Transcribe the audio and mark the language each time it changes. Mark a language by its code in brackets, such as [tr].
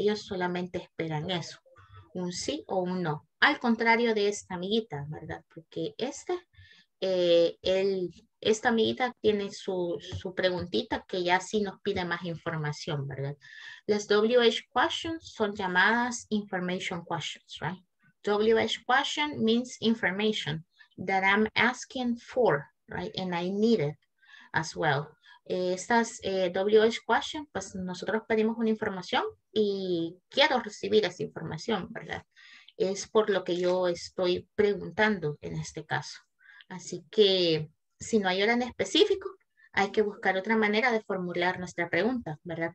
[es] Ellos solamente esperan eso, un sí o un no. Al contrario de esta amiguita, ¿verdad? Porque esta amiguita tiene su preguntita que ya sí nos pide más información, ¿verdad? Las WH questions son llamadas information questions, ¿right? [en] WH question means information. That I'm asking for, right? And I need it as well. [es] estas WH questions, pues nosotros pedimos una información y quiero recibir esa información, ¿verdad? Es por lo que yo estoy preguntando en este caso. Así que si no hay hora en específico, hay que buscar otra manera de formular nuestra pregunta, ¿verdad?